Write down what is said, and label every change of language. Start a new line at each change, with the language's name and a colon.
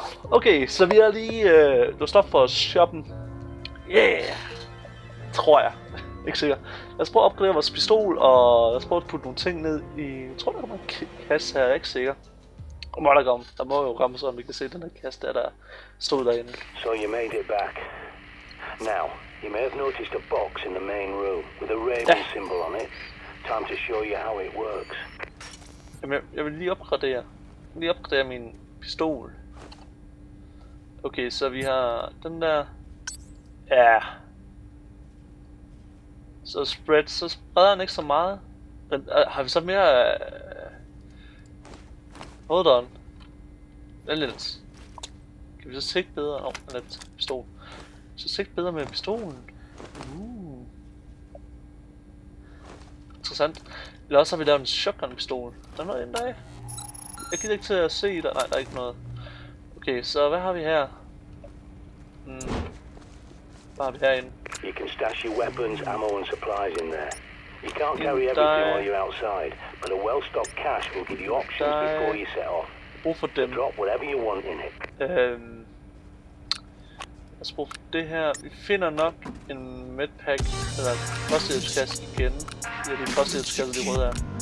Danish: Okay, så vi er lige, du stopper for shoppen. Yeah! Tror jeg. Ikke sikker. Lad os prøve at opgradere vores pistol, og lad os prøve at putte nogle ting ned i... Jeg tror, der kommer en kasse her, jeg er ikke sikker. Må der komme. Der må jo komme, så vi kan se den her kasse der, der stod derinde.
English: So you made it back. Now, you may have noticed a box in the main room, with a raven symbol on it. Time to show you how it works.
Danish: Jamen, jeg vil lige opgradere. Min pistol. Okay, så vi har den der... Ja. Så spread, så spreder den ikke så meget. Men har vi så mere...
English: Hold on.
Danish: Vent lidt. Kan vi så sigte bedre? Nå, eller pistol. Så sigte bedre med pistolen. Interessant. Eller også har vi lavet en shotgun pistol. Der er noget inde der. Jeg gider ikke til at se der. Nej, der er ikke noget. Okay, så hvad har vi her? Hvad har vi herinde?
English: You can stash your weapons, ammo and supplies in there. You can't carry everything while you're outside, but a well-stocked cache will give you options before you set off.
Danish: Brug for dem.
English: Drop whatever you want in it.
Danish: Lad os bruge for det her. Vi finder nok en medpack, eller en førstehjælpskasse igen. Ja, det er førstehjælpskasse, det røde er.